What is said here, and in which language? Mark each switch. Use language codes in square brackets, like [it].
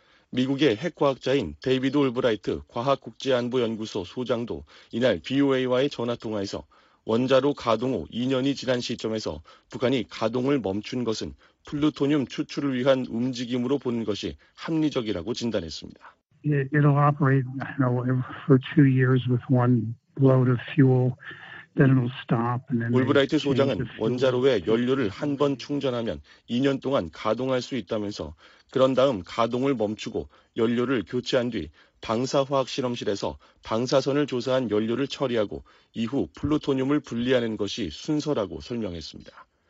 [ko] 미국의 핵과학자인 데이비드 올브라이트 과학국제안보연구소 소장도 이날 BOA와의 전화통화에서 원자로 가동 후 2년이 지난 시점에서 북한이 가동을 멈춘 것은 플루토늄 추출을 위한 움직임으로 보는 것이 합리적이라고 진단했습니다. [en] It'll operate for 2 years with one load of fuel. [ko] 올브라이트 소장은 원자로에 연료를 한 번 충전하면 2년 동안 가동할 수 있다면서 그런 다음 가동을 멈추고 연료를 교체한 뒤 방사화학 실험실에서 방사선을 조사한 연료를 처리하고 이후 플루토늄을 분리하는 것이 순서라고 설명했습니다.